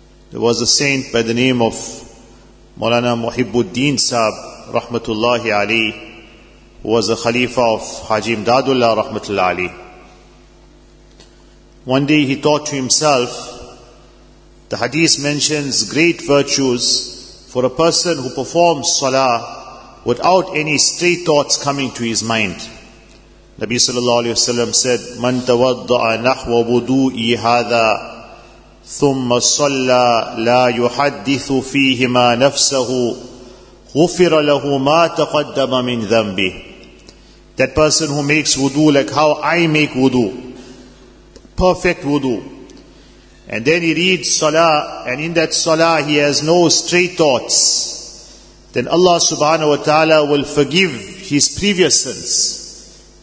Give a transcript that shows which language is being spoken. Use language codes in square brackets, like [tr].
[en] There was a saint by the name of Maulana Muhibbuddin Sahib Rahmatullahi Ali, who was a khalifa of Haji Imdadullah Rahmatullahi Ali. One day he thought to himself, the hadith mentions great virtues for a person who performs salah without any stray thoughts coming to his mind. Nabi sallallahu alayhi wa sallam said, [ar] مَنْ تَوَضَّعَ نَحْوَ وُدُوءِ هَذَا ثُمَّ صَلَّى لَا يُحَدِّثُ فِيهِمَا نَفْسَهُ غُفِرَ لَهُ مَا تَقَدَّمَ مِنْ ذَنْبِهِ. [en] That person who makes wudu like how I make wudu, perfect wudu, and then he reads salah, and in that salah he has no stray thoughts, then Allah subhanahu wa ta'ala will forgive his previous sins.